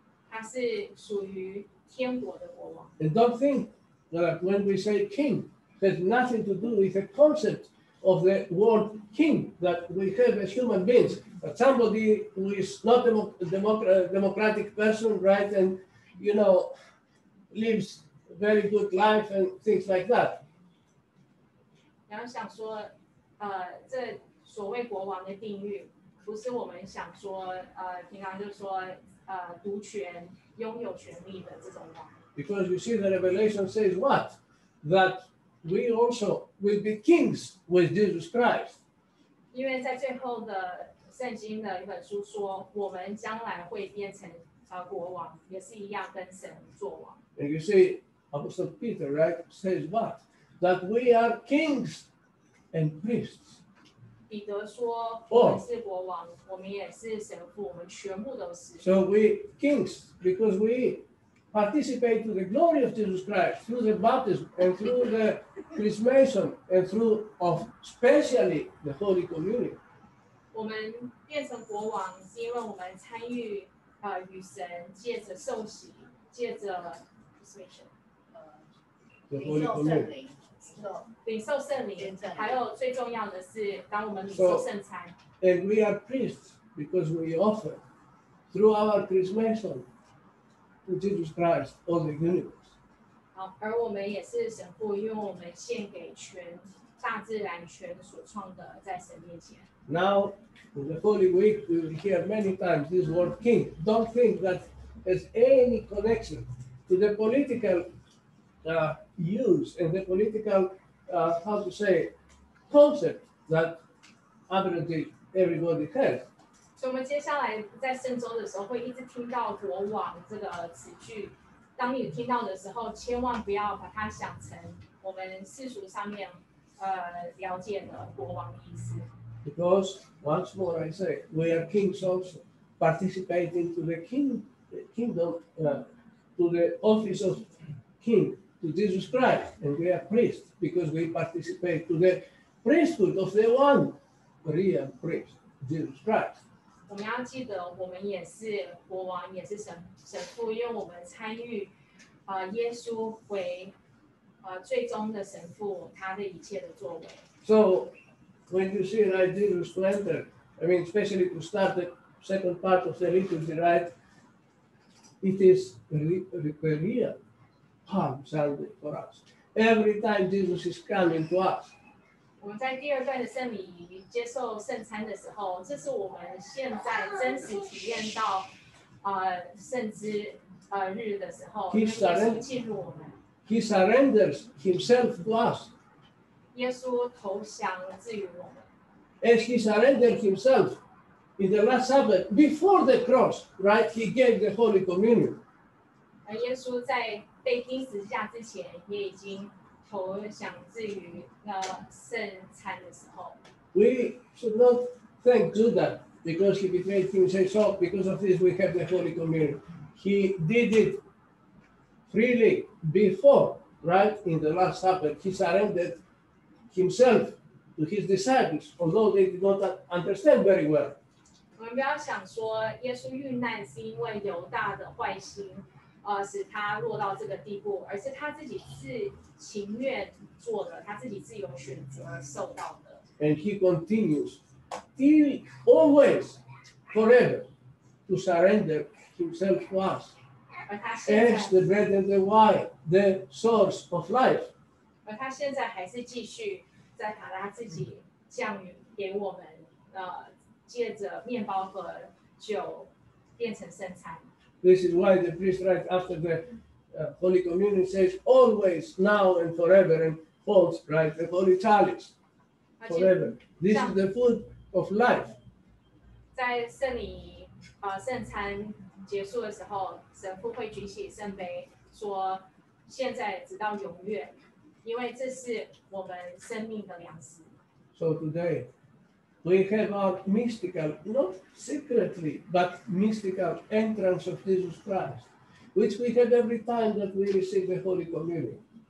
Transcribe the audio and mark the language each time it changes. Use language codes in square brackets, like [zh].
[en] And don't think that when we say king, has nothing to do with the concept of the word king that we have as human beings. But somebody who is not a democratic person, right? And, you know, lives a very good life and things like that. [zh] 然后想说，这所谓国王的定义，不是我们想说，平常就说，独权、拥有权力的这种王。 [en] Because you see, the Revelation says what? That we also will be kings with Jesus Christ. [zh] 因为在最后的圣经的一本书说，我们将来会变成国王，也是一样跟神作王。 [en] And you see, Apostle Peter, right, says what? That we are kings and priests. [zh] 彼得说，我们是国王，我们也是神父，我们全部都是。 [en] So we kings because we participate to the glory of Jesus Christ through the baptism and through the chrismation and through of especially the Holy Communion. [zh] 我们变成国王，是因为我们参与与神借着受洗，借着 chrismation, [en] the Holy Communion. [zh] 领受圣灵，还有最重要的是，当我们领受圣餐。 [en] And we are priests because we offer through our chrismation to Jesus Christ all the universe. [zh] 好，而我们也是神父，因为我们献给全大自然全所创的在神面前。 [en] Now in the Holy Week we will hear many times this word "king." Don't think that has any connection to the political. Use and the political, how to say, concept that apparently everybody has. [zh] 所以我们接下来在圣周的时候会一直听到国王这个词句，当你听到的时候千万不要把它想成我们世俗上面了解的国王的意思。 [en] Because once more I say, we are kings also, participating to the king, the kingdom, to the office of king, to Jesus Christ, and we are priests because we participate to the priesthood of the one real priest, Jesus Christ. [zh] 我们要记得，我们也是国王，也是神父，因为我们参与，耶稣为，最终的神父，他的一切的作为。 [en] So. When you see an ideal splendor, I mean, especially to start the second part of the liturgy, right? It is the real palm Sunday for us. Every time Jesus is coming to us. [zh] 我们在第二段的圣礼接受圣餐的时候，这是我们现在真实体验到，圣之日的时候，耶稣进入我们。 [en] He surrenders himself to us. [zh] 耶稣投降自于我们。 [en] As he surrendered himself in the last supper before the cross, right? He gave the Holy Communion. [zh] 而耶稣在被钉十字架之前，也已经投降自于那圣餐的时候。 [en] We should not thank Judas because he betrayed him. Say so. Because of this, we have the Holy Communion. He did it freely before, right? In the last supper, he surrendered. Himself to his disciples, although they did not understand very well. [zh] 我们不要想说耶稣遇难是因为犹大的坏心，使他落到这个地步，而是他自己是情愿做的，他自己自由选择受到的。 [en] And he continues, till always, forever, to surrender himself to us, as the bread and the wine, the source of life. [zh] 而他现在还是继续在把他自己降予给我们，借着面包和酒变成圣餐。 [en] This is why the priest right after the Holy Communion says always, now and forever, and holds right the Holy Chalice forever. This is the food of life. [zh] 在圣礼圣餐结束的时候，神父会举起圣杯，说现在直到永远。因为这是我们生命的粮食。 [en] So today, we have our mystical, not secretly, but mystical entrance of Jesus Christ, which we have every time that we receive the Holy Communion.